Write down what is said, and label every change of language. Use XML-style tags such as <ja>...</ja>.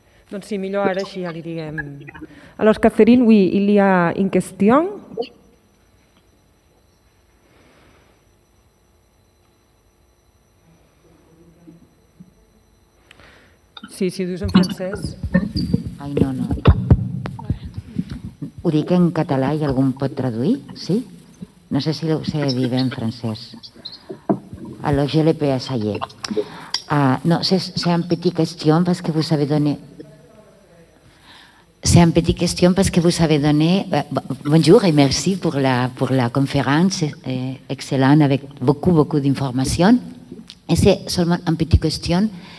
<ca>Doncs sí, millor ara així ja li diguem.</ca> <fr>Alors, Catherine, oui, il y a une question?</fr> <ca>Sí, si ho dius en francès. Ai, no, no. Ho dic en català i algú em pot traduir? Sí? No sé si ho sé dir bé en francès.</ca> <fr>Alors, je l'ai pas essayé. No, c'est un petit question parce que vous avez donné... C'est un petit question parce que vous avez donné... Bonjour et merci pour la conférence. Excellent, avec beaucoup, beaucoup d'informations. Et c'est seulement une petite question.</fr>